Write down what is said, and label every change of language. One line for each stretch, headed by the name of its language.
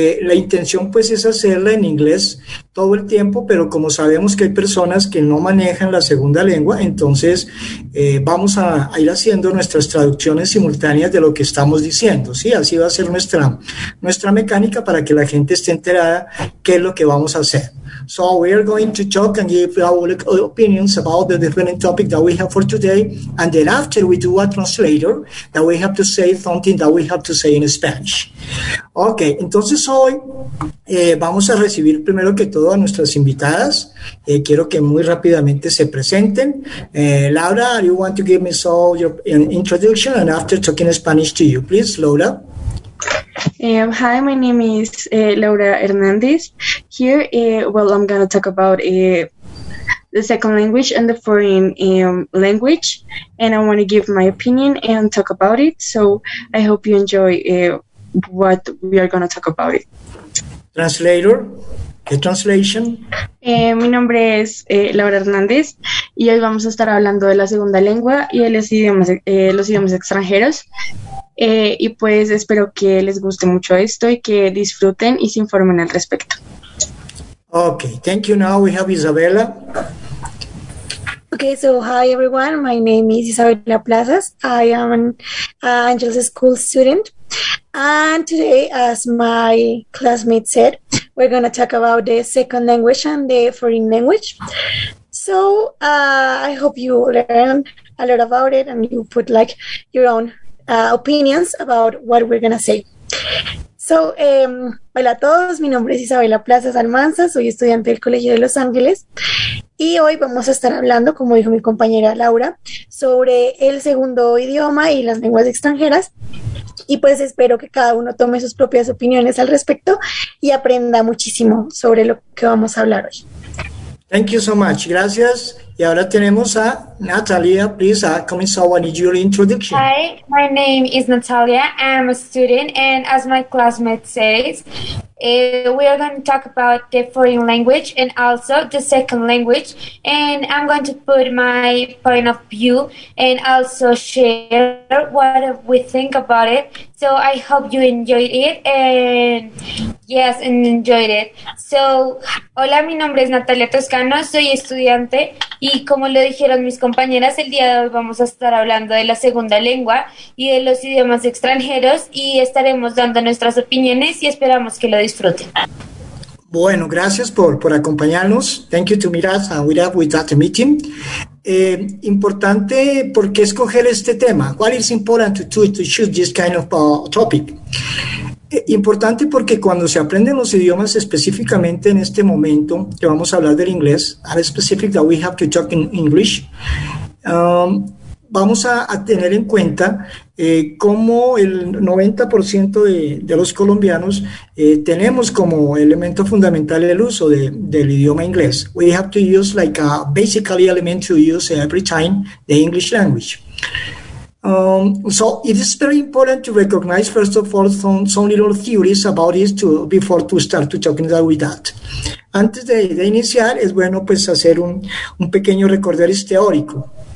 Spanish: La intención pues es hacerla en inglés todo el tiempo, pero como sabemos que hay personas que no manejan la segunda lengua, entonces vamos a ir haciendo nuestras traducciones simultáneas de lo que estamos diciendo, ¿sí? Así va a ser nuestra mecánica para que la gente esté enterada qué es lo que vamos a hacer.
English: So we are going to talk and give our opinions about the different topic that we have for today, and then after we do a translator that we have to say something that we have to say in Spanish.
Spanish: Okay, entonces hoy vamos a recibir primero que todo a nuestras invitadas. Quiero que muy rápidamente se presenten.
English: Laura, you want to give me so your introduction and after talking Spanish to you, please, Laura. Hi, my name is Laura Hernandez. Here, I'm going to talk about the second language and the foreign language, and I want to give my opinion and talk about it. So I hope you enjoy what we are going to talk about. Translator, the translation.
Spanish: Mi nombre es Laura Hernandez y hoy vamos a estar hablando de la segunda lengua y de los idiomas extranjeros. Y pues espero que les guste mucho esto y que disfruten y se informen al respecto.
English: Okay, thank you. Now we have Isabella. Okay, so hi everyone. My name is Isabella Plazas. I am an Angels School student. And today, as my classmate said, we're going to talk about the second language and the foreign language. So I hope you learn a lot about it and you put like your own opinions about what we're going to say.
Spanish: So, hola a todos, mi nombre es Isabella Plazas Almanza, soy estudiante del Colegio de Los Ángeles y hoy vamos a estar hablando, como dijo mi compañera Laura, sobre el segundo idioma y las lenguas extranjeras y pues espero que cada uno tome sus propias opiniones al respecto y aprenda muchísimo sobre lo que vamos a hablar hoy.
English: Thank you so much.
Spanish: Gracias. Y ahora tenemos a Natalia.
English: Please, come in, so I need your introduction. Hi, my name is Natalia. I'm a student. And as my classmate says, we are going to talk about the foreign language and also the second language. And I'm going to put my point of view and also share what we think about it. So I hope you enjoyed it. And yes, and enjoyed it.
Spanish: So, hola, mi nombre es Natalia Toscano. Soy estudiante. Y como lo dijeron mis compañeras, el día de hoy vamos a estar hablando de la segunda lengua y de los idiomas extranjeros y estaremos dando nuestras opiniones y esperamos que lo disfruten. Bueno, gracias por acompañarnos.
English: Thank you to meet us and we're up with that meeting.
Spanish: Importante, ¿por qué escoger este tema?
English: What is important to choose this kind of topic?
Spanish: Importante porque cuando se aprenden los idiomas específicamente en este momento que vamos a hablar del inglés,
English: at specific that we have to talk in English,
Spanish: vamos a tener en cuenta cómo el 90% de los colombianos tenemos como elemento fundamental el uso del idioma inglés.
English: We have to use like a basically element to use every time the English language. So it is very important to recognize, first of all, some little theories about this before to start to talking about that.
Spanish: Antes de iniciar, es bueno pues hacer un pequeño recorderis teórico.